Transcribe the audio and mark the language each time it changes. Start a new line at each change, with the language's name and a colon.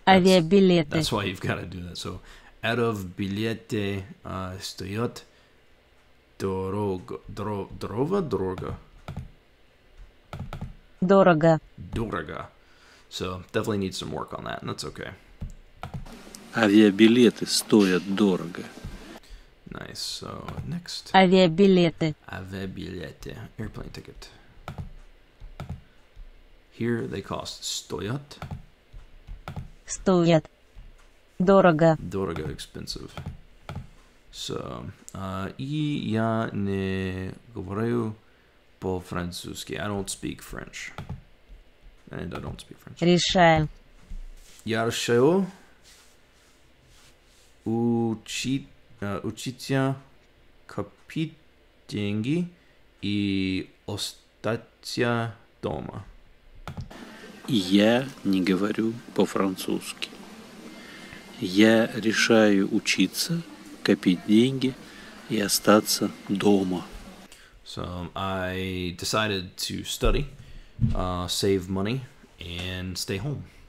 Russian: авиабилеты.
English: That's why you've got to do that. So, out of
Russian: билеты стоят дорого. Дорого. Дорого.
English: So, definitely need some work on that, and that's okay.
Russian: Авиабилеты стоят дорого.
English: Nice. So, next.
Russian: Авиабилеты. Авиабилеты.
English: Airplane ticket. Here they cost
Russian: стоят. Стоят. Дорого. Дорого,
English: expensive.
Russian: So, и я не говорю по-французски.
English: I don't speak French. And I don't speak French.
Russian: Решаю. Я решаю учиться копить деньги и остаться дома. Я не говорю по-французски. Я решаю учиться, копить деньги и остаться дома.
English: So I decided to study, save money, and stay home.